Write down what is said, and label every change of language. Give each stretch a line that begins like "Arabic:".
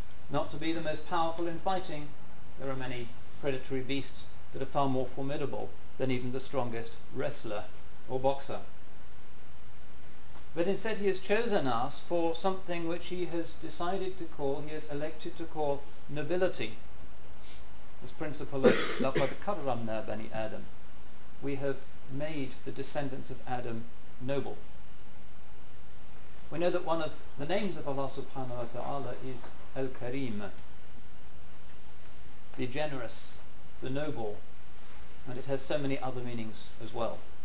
English: Not to be the most powerful in fighting. There are many predatory beasts that are far more formidable than even the strongest wrestler or boxer. But instead He has chosen us for something which He has elected to call nobility. This principle of
Arabic: لَقَدْ كَرَّمْنَا بَنِي آدَمْ.
English: We have made the descendants of Adam noble. We know that one of the names of Allah subhanahu wa ta'ala is Al-Karim, the generous, the noble, and it has so many other meanings as well.